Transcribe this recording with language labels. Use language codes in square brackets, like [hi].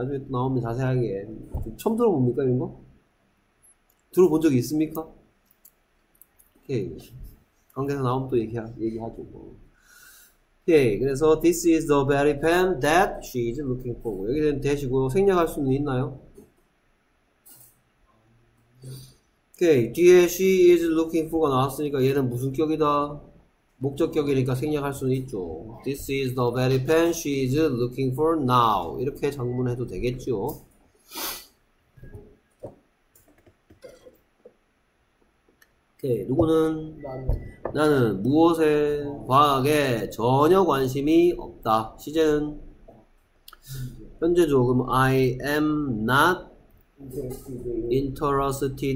[ko] 나중에 또 나오면 자세하게. 처음 들어봅니까 이런 거? 들어본 적이 있습니까? 오케이, 관계사 나오면 또 얘기하죠 뭐. 오케이, 그래서 [en] this is the very pen that she is looking for. [ko] 여기는 대시고요. 생략할 수는 있나요? 오케이, 뒤에 [en] she is looking for [ko] 가 나왔으니까 얘는 무슨 격이다? 목적격이니까 생략할 수는 있죠. [en] This is the very pen she is looking for now. [ko] 이렇게 작문해도 되겠죠. 오케이, 누구는? 나는 무엇에, 과학에 전혀 관심이 없다. 시제는? 현재죠. 그럼 [en] I am not interested